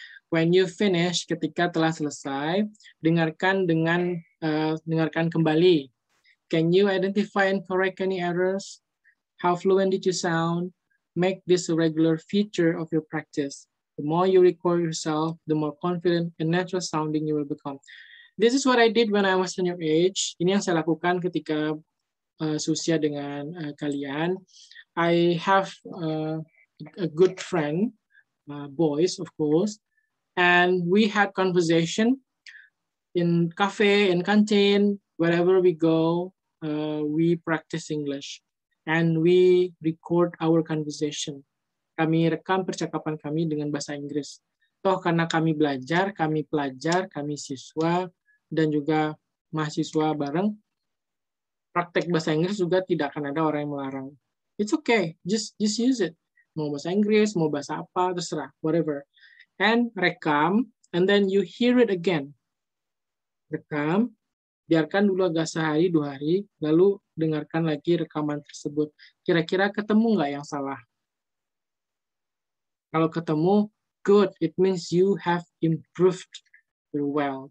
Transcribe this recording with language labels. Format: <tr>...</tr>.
<en>When you finish,</en> <id>ketika telah selesai, dengarkan dengan dengarkan kembali.</id> <en>Can you identify and correct any errors? How fluent did you sound? Make this a regular feature of your practice. The more you record yourself, the more confident and natural sounding you will become. This is what I did when I was in your age.</en> <id>Ini yang saya lakukan ketika seusia dengan kalian.</id> <en>I have a good friend, boys, of course, and we had conversation in cafe, in canteen, wherever we go, we practice English. And we record our conversation.</en> <id>Kami rekam percakapan kami dengan bahasa Inggris. Toh karena kami belajar, kami pelajar, kami siswa, dan juga mahasiswa bareng, praktek bahasa Inggris juga tidak akan ada orang yang melarang.</id> <en>It's okay, just use it.</en> <id>Mau bahasa Inggris, mau bahasa apa, terserah,</id> <en>whatever. And</en> <id>rekam,</id> <en>and then you hear it again.</en> <id>Rekam, biarkan dulu agak sehari, 2 hari, lalu dengarkan lagi rekaman tersebut. Kira-kira ketemu nggak yang salah? Kalau ketemu,</id> <en>good. It means you have improved your well.</en>